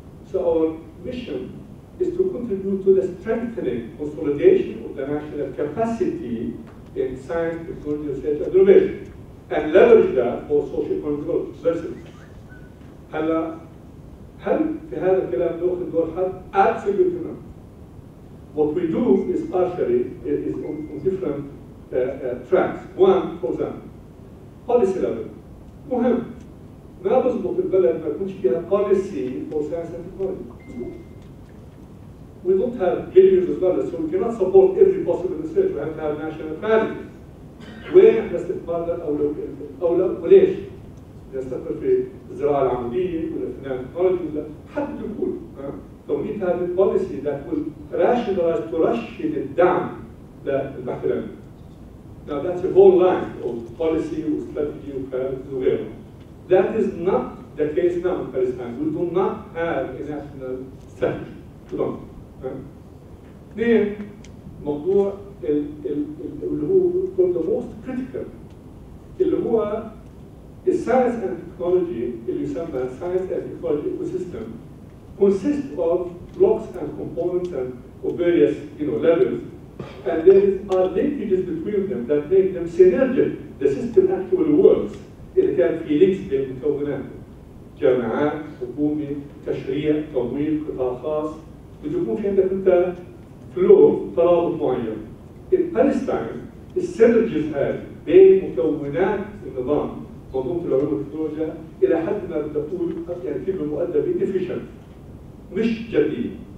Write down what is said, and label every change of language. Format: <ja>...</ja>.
<en>So our mission is to contribute to the strengthening, consolidation of the national capacity in science, technology, research, and innovation, and leverage that for socio-economic growth. Versus.</en> <ar>هلا هل في هذا الكلام نوخ الدور حد؟ Absolutely not.</ar> <en>What we do is partially is on different tracks. One, for example. Policy level. مهم.</en> <ar>ما بزبط البلد ما يكونش فيها policy for science and technology.</ar> <en>We don't have billions of dollars, so we cannot support every possible research. We have to have national planning.</en> <ar>وين احنا استثمارنا اولى وليش؟ نستثمر في الزراعه العموديه ولا في نانو تكنولوجي ولا حتى الدخول.</ar> <en>So we need to have a policy that will rationalize, ترشد الدعم للبحث العلمي. Now that's a whole line of policy, of strategy, of whatever. That is not the case now in Palestine. We do not have a national strategy. We don't. Then, موضوع اللي هو from the most critical, اللي هو science and technology, اللي يسمى science and technology ecosystem, consists of blocks and components and of various levels. And there are linkages between them that make them synergic. The system actually works.</en> <ar>إذا كان في links بين مكونات جامعات، حكومة، تشريع، تمويل، قطاع خاص، بده يكون في عندك أنت flow ترابط معين. In Palestine, the synergies هذه بين مكونات النظام، منظومة العلوم والتكنولوجيا، إلى حد ما بتقول يعني في بالمؤدب efficient. مش جديد.</ar>